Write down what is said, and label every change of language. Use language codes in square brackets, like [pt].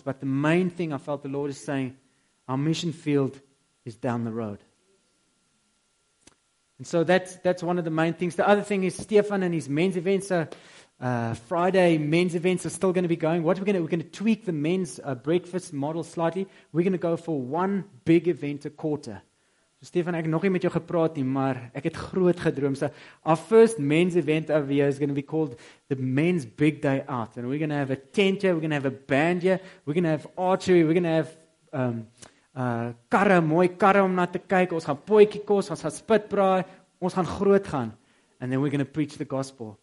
[en] But the main thing I felt the Lord is saying, our mission field is down the road. And so that's one of the main things. The other thing is Stefan and his men's events are Friday men's events are still going to be going. What we're going to tweak the men's breakfast model slightly. We're going to go for one big event a quarter. [af] So Stefan, ek nog nie met jou gepraat nie, maar ek het groot gedroom. [en] So our first men's event over here is going to be called the Men's Big Day Out, and we're going to have a tent here, we're going to have a band here, we're going to have archery, we're going to have [af] karre, mooi karre om na te kyk, ons gaan pootjie kos, ons gaan spit braai, ons gaan groot gaan, [en] and then we're going to preach the gospel.